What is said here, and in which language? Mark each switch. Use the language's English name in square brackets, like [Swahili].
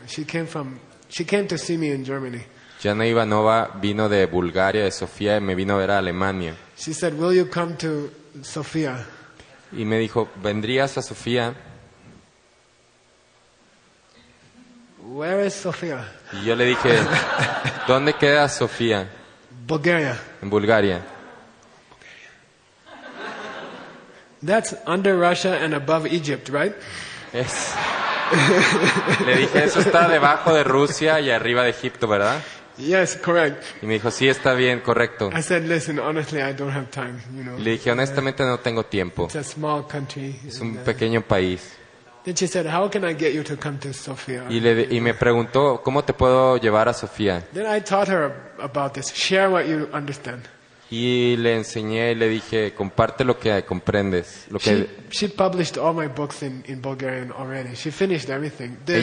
[English] She came to see me in Germany. [Spanish] Jana Ivanova vino de Bulgaria, de Sofía, y me vino a ver a Alemania. [English] She said, "Will you come to Sofía?" [Spanish] Y me dijo, "¿Vendrías a Sofía?" [English] Where is Sofía? [Spanish] Y yo le dije, "¿Dónde queda Sofía?" [English] Bulgaria. [Spanish] En Bulgaria. [English] That's under Russia and above Egypt, right? Yes. [Spanish] Le dije, eso está debajo de Rusia y arriba de Egipto, ¿verdad? [English] Yes, correct. [Spanish] Y me dijo, sí, está bien, correcto. [English] I said, listen, honestly, I don't have time, you know. [Spanish] Le dije, honestamente, no tengo tiempo. [English] It's a small country. [Spanish] Es un pequeño país. [English] Then she said, how can I get you to come to Sofia? [Spanish] Y me preguntó, ¿cómo te puedo llevar a Sofía? [English] Then I taught her about this. Share what you understand. [Spanish] Y le enseñé y le dije, comparte lo que comprendes. Lo que... [English] She published all my books in Bulgarian already. She finished everything.